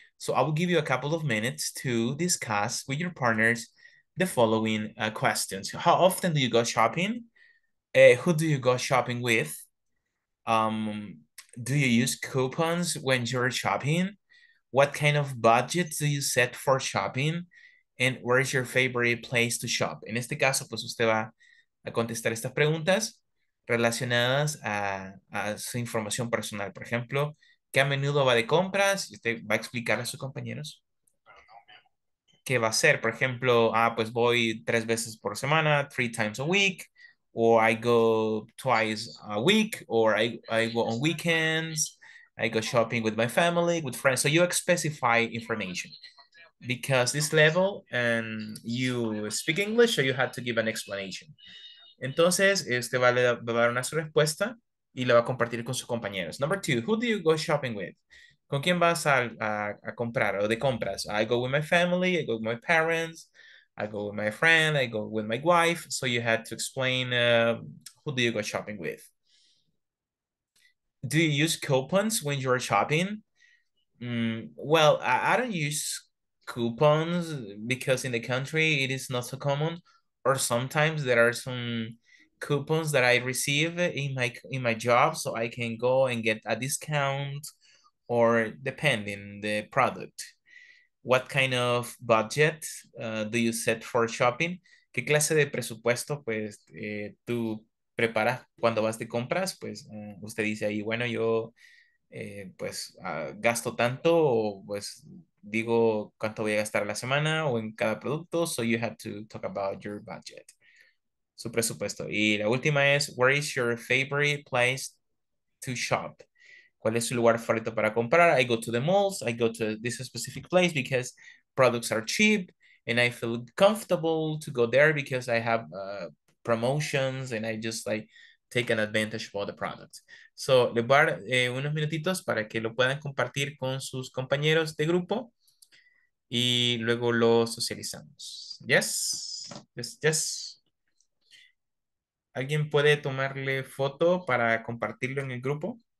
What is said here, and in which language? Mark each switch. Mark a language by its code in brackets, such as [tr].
[en] So I will give you a couple of minutes to discuss with your partners the following questions. How often do you go shopping? Who do you go shopping with? Do you use coupons when you're shopping? What kind of budget do you set for shopping? And where is your favorite place to shop? [es] En este caso, pues usted va a contestar estas preguntas relacionadas a su información personal. Por ejemplo, ¿qué a menudo va de compras? Y usted va a explicar a sus compañeros qué va a hacer. Por ejemplo, pues voy 3 veces por semana, [en] 3 times a week. Or I go twice a week, or I go on weekends, I go shopping with my family, with friends. So you specify information. Because this level, and you speak English, so you had to give an explanation. [es] Entonces, este va a dar una su respuesta y la va a compartir con sus compañeros. [en] Number two, who do you go shopping with? [es] ¿Con quién vas a comprar o de compras? [en] I go with my family, I go with my parents, I go with my friend, I go with my wife. So you had to explain who do you go shopping with. Do you use coupons when you're shopping? Well, I don't use coupons because in the country it is not so common. Or sometimes there are some coupons that I receive in my job, so I can go and get a discount, or depending the product. What kind of budget do you set for shopping? [es] ¿Qué clase de presupuesto pues tú preparas cuando vas de compras? Pues usted dice ahí, bueno, yo pues gasto tanto, o pues digo cuánto voy a gastar a la semana o en cada producto. [en] So you have to talk about your budget, [es] su presupuesto. Y la última es, [en] where is your favorite place to shop? [es] ¿Cuál es su lugar favorito para comprar? [en] I go to the malls. I go to this specific place because products are cheap and I feel comfortable to go there because I have promotions and I just like take an advantage of all the products. [es] So, le voy a dar unos minutitos para que lo puedan compartir con sus compañeros de grupo y luego lo socializamos. [en] Yes, yes, yes. [es] ¿Alguien puede tomarle foto para compartirlo en el grupo?